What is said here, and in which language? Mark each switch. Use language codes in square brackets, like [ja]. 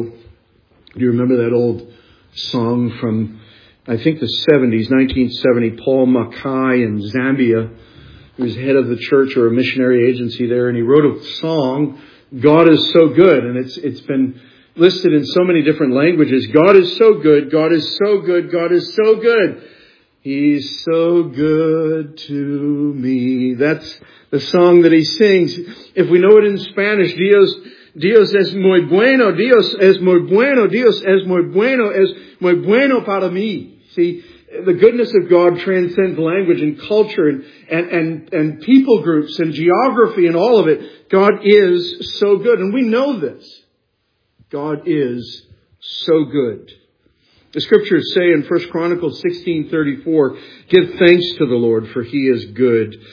[en] Do you remember that old song from, I think, the 70s, 1970, Paul Mackay in Zambia, who was head of the church or a missionary agency there, and he wrote a song, God is so good, and it's been listed in so many different languages. God is so good, God is so good, God is so good. He's so good to me. That's the song that he sings. If we know it in Spanish, [es] Dios es muy bueno, Dios es muy bueno, Dios es muy bueno para mí. [en] See, the goodness of God transcends language and culture and people groups and geography and all of it. God is so good. And we know this. God is so good. The scriptures say in 1 Chronicles 16:34, give thanks to the Lord for He is good.